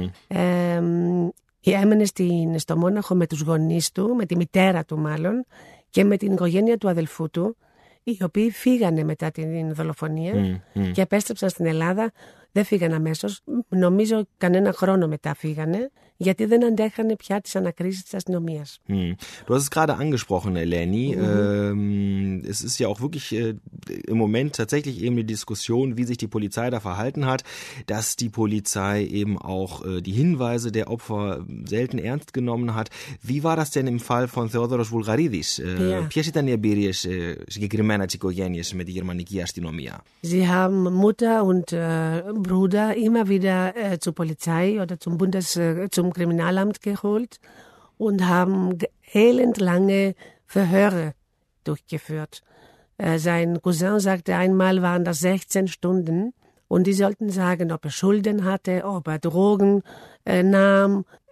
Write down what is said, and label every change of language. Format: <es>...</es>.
<el>Έμενε στο Μόναχο με τους γονείς του, με τη μητέρα του μάλλον, και με την οικογένεια του αδελφού του, οι οποίοι φύγανε μετά την δολοφονία και επέστρεψαν στην Ελλάδα. Δεν φύγανε αμέσως, νομίζω κανένα χρόνο μετά φύγανε, γιατί δεν αντέχανε πια τις ανακρίσεις της αστυνομίας.</el> <de>Du hast es gerade angesprochen, Eleni. Es ist ja auch wirklich im Moment tatsächlich eben die Diskussion, wie sich die Polizei da verhalten hat, dass die Polizei eben auch die Hinweise der Opfer selten ernst genommen hat. Wie war das denn im Fall von Theodoros Vulgaridis?</de> <el>Ποιες ήταν οι εμπειρίες συγκεκριμένα της οικογένειας με τη γερμανική αστυνομία?</el> <de>Sie haben Mutter und Bruder immer wieder zur Polizei oder zum Kriminalamt geholt und haben elendlange Verhöre durchgeführt. Sein Cousin sagte, einmal waren das 16 Stunden und die sollten sagen, ob er Schulden hatte, ob er Drogen nahm.</de>